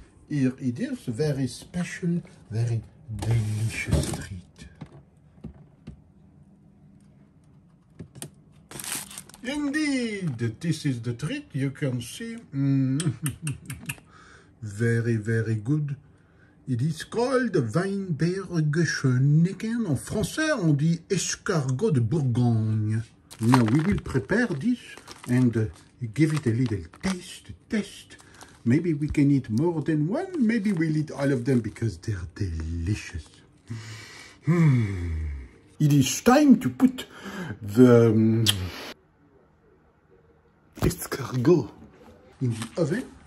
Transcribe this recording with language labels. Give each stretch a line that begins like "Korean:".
English: Here it is, very special, very delicious treat. Indeed, this is the treat. You can see, very, very good. It is called Weinbergschnecken.
French: En français, on dit escargot de Bourgogne.
English: Now we will prepare this and give it a little test. Maybe we can eat more than one. Maybe we'll eat all of them because they're delicious. It is time to put the escargot in the oven.